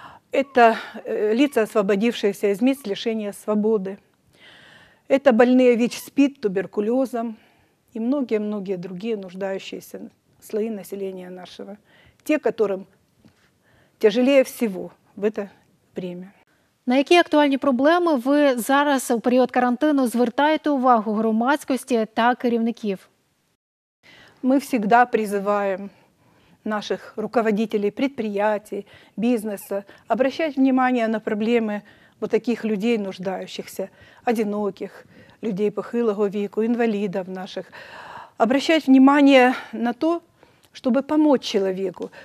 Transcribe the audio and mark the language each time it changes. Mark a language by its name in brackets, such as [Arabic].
[Russian] Это лица, освободившиеся из мест лишения свободы. Это больные ВИЧ-СПИД, туберкулезом и многие-многие другие нуждающиеся слои населения нашего. Те, которым тяжелее всего в это время. [Ukrainian] На які актуальні проблеми ви зараз у період карантину звертаєте увагу громадськості та керівників? [Russian] Мы всегда призываем наших руководителей предприятий, бизнеса обращать внимание на проблемы вот таких людей, нуждающихся, одиноких, [Ukrainian] людей похилого веку, [Russian] инвалидов наших, обращать внимание на то, чтобы помочь человеку.